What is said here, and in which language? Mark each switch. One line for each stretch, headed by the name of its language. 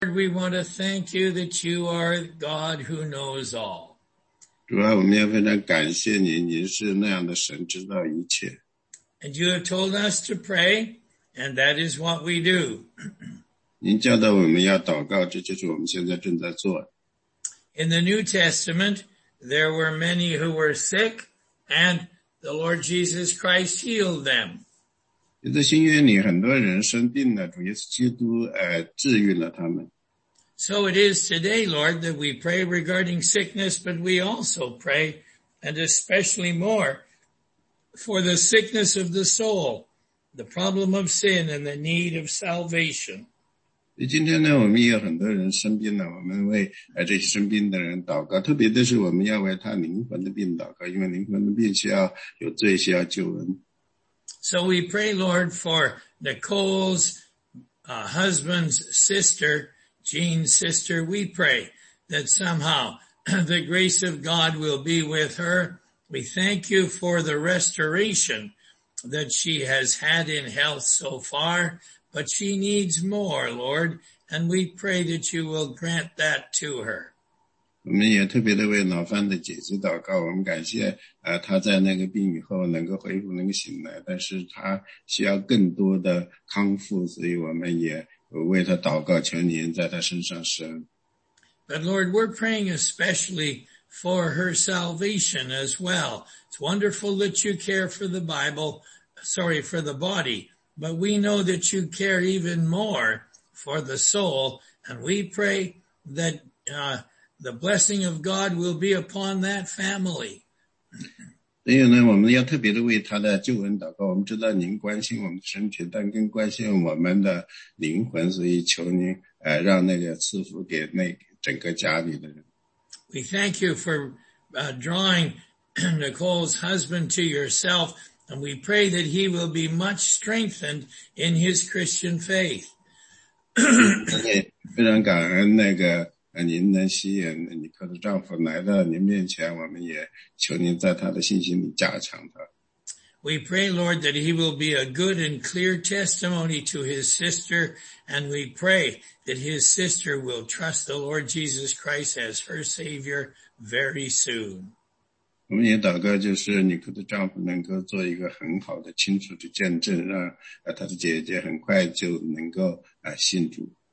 English: Lord, we want to thank you that you are God who knows all.
Chinese: 主啊，我们要非常感谢您，您是那样的神，知道一切。
English: And you have told us to pray, and that is what we do.
Chinese: 您教导我们要祷告，这就是我们现在正在做。
English: In the New Testament, there were many who were sick, and the Lord Jesus Christ healed them.
Chinese: 在新约里，很多人生病了，主耶稣基督治愈了他们。
English: So it is today, Lord, that we pray regarding sickness, but we also pray, and especially more, for the sickness of the soul, the problem of sin, and the need of salvation.
Chinese: 今天呢，我们也有很多人生病了，我们为这些生病的人祷告，特别的是我们要为他灵魂的病祷告，因为灵魂的病需要有罪，需要救恩。
English: So we pray, Lord, for Nicole's husband's sister, Jean's sister, we pray that somehow the grace of God will be with her. We thank you for the restoration that she has had in health so far, but she needs more, Lord, and we pray that you will grant that to her.
Chinese: 我们也特别的为老范的姐姐祷告，我们感谢她在那个病以后能够恢复，能够醒来，但是她需要更多的康复，所以我们也为他祷告，求您在他身上施恩。
English: But Lord, we're praying especially for her salvation as well. It's wonderful that you care for the Bible, sorry, for the body, but we know that you care even more for the soul, and we pray that the blessing of God will be upon that family.
Chinese: 所以呢，我们要特别的为他的救恩祷告。我们知道您关心我们的身体，但更关心我们的灵魂，所以求您让那个赐福给那整个家里的人。
English: We thank you for drawing Nicole's husband to yourself, and we pray that he will be much strengthened in his Christian faith.
Chinese: 非常感恩那个您能吸引你克的丈夫来到您面前，我们也求您在他的信心里加强他。
English: We pray, Lord, that he will be a good and clear testimony to his sister, and we pray that his sister will trust the Lord Jesus Christ as her Savior very soon.
Chinese: 我们也祷告，就是你克的丈夫能够做一个很好的清楚的见证，让他的姐姐很快就能够信主。